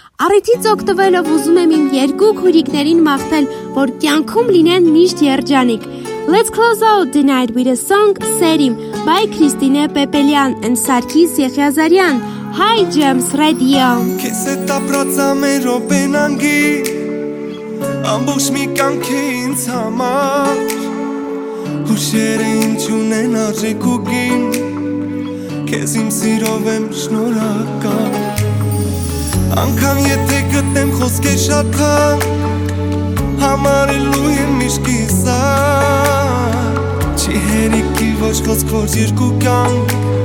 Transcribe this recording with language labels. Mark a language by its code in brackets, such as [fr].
[hy] Արիտից օգտվելով ուզում եմ իմ երկու քուրիկներին մաղթել, որ կյանքում լինեն միշտ երջանիկ. [en] Let's close out the night with a song Serim by Kristine Pepelian and Sarkis Yekhazaryan. Hi Gems Radio. [hy] Քեզ հետ ապրած ամեն ռոպեն անգի, ամբողջ մի կյանքի ինձ համար հուշերը ինչ ունեն արժեք ու գին քեզ իմ սիրով եմ շնորհակալ անգամ եթե գտնեմ խոսքեր շատ թանկ համարելու եմ միշտ կիսար չի հերիքի ոչ խոսք ոչ երկու կյանք